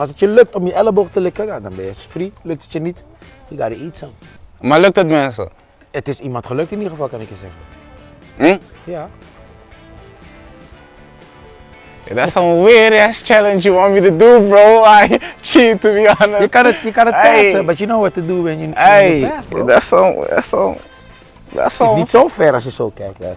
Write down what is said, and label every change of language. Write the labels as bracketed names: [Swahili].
[Dutch] Als het je lukt om je elleboog te likken, dan ben je free. Lukt het je niet, [English] you gotta eat some. [Dutch] Maar lukt het mensen? Het is iemand gelukt in ieder geval, kan ik je zeggen. Hm? Ja. [English] That's some weird ass challenge you want me to do, bro. I cheat, to be honest. You gotta pass, but you know what to do when you pass, bro. That's some. [Dutch] Het is niet zo ver als je zo kijkt.